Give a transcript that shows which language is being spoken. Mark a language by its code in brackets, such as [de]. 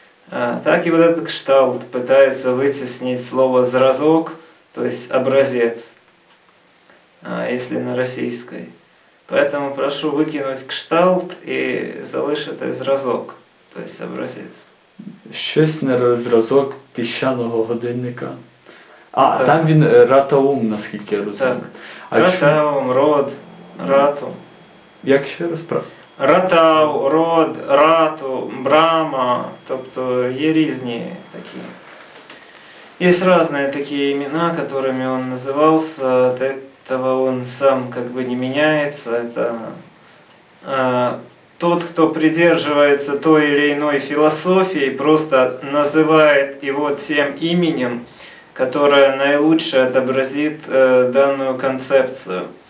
[ru] Так и вот этот кшталт пытается вытеснить слово «зразок», то есть «образец», если на российской. Поэтому прошу выкинуть кшталт и [uk] залишить [ru] «зразок», то есть «образец». [uk] Щось на зразок піщаного годинника. А, так. Там він ратаум, наскільки я розумію. Так. Ратаум, род, рату. Як ще раз правильно? Ратав, Род, Рату, Брама, тобто є різні такі. Є різні такі імена, [ru] которыми он називався, от этого он сам как бы не меняется. Это тот, кто придерживается той или иной философии, просто называет его тем именем, которое наилучше отобразит данную концепцию.